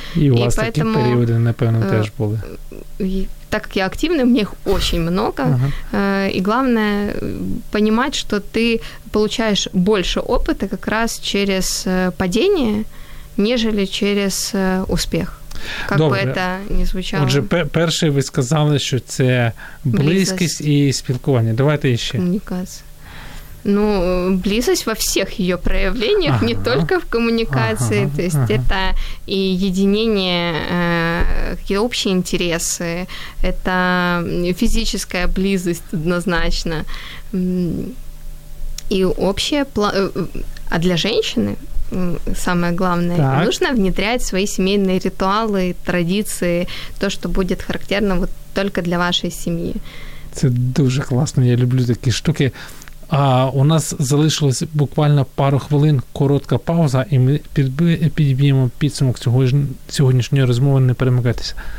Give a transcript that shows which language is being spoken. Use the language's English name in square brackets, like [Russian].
[Russian] И у вас такие периоды, [Ukrainian] напевно, теж [Russian] были. Так как я активный, мне их очень много. И главное понимать, что ты получаешь больше опыта как раз через падение, нежели через успех. Как [Ukrainian] Добре. [Russian] Бы это ни звучало. [Ukrainian] Отже, перше ви сказали, що це близькість і спілкування. Давайте ще. [Russian] Коммуникация. Ну, близость во всех ее проявлениях, не только в коммуникации. То есть это и единение, какие-то общие интересы, это физическая близость однозначно. И общее... А для женщины... Самое главное, так. Нужно внедрять свои семейные ритуалы, традиции, то, что будет характерно вот только для вашей семьи. [Ukrainian] Це дуже класно, я люблю такі штуки. А у нас залишилось буквально пару хвилин, коротка пауза, і ми підб'ємо підсумок сьогоднішньої розмови, не перемикайтеся.